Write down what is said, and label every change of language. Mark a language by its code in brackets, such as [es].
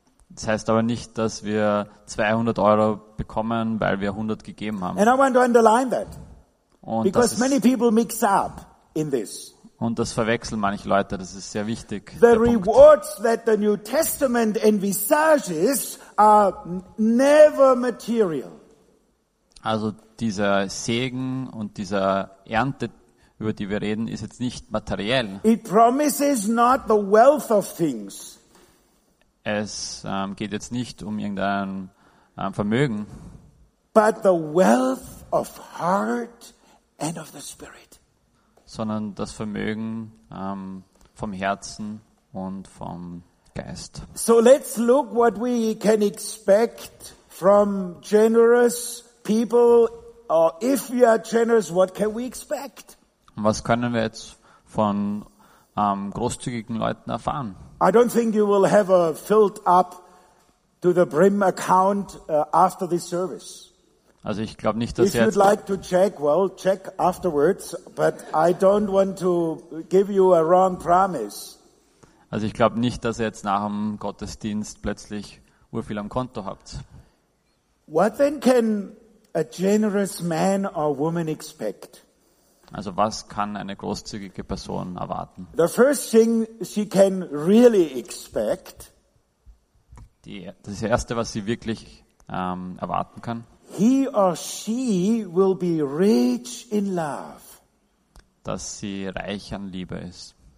[de] Das heißt aber nicht, dass wir 200 Euro bekommen, weil wir 100 gegeben haben. [en] And I want to underline that. [de] Und [en] because many people mix up in this. [de] Und das verwechseln manche Leute, das ist sehr wichtig. [en] The rewards that the New Testament envisages are never material. [de] Also dieser Segen und dieser Ernte, über die wir reden, ist jetzt nicht materiell. [en] It promises not the wealth of things. [de] Es geht jetzt nicht um irgendein Vermögen. [en] But the wealth of heart and of the spirit. [de] Sondern das Vermögen vom Herzen und vom Geist. [en] So let's look what we can expect from generous people, or if we are generous, what can we expect? [de] Was können wir jetzt von großzügigen Leuten erfahren? [en] I don't think you will have a filled up to the brim account after this service. [de] Also ich glaube nicht, dass [en] if you'd like to check, well, check afterwards, but I don't want to give you a wrong promise. [de] Also ich glaube nicht, dass ihr jetzt nach dem Gottesdienst plötzlich urviel am Konto habt. [en] What then can a generous man or woman expect? [de] Also was kann eine großzügige Person erwarten? [en] The first thing she can really expect. [de] Das erste, was sie wirklich erwarten kann. [en] He or she will be rich in love. [de] Dass sie reich an Liebe ist.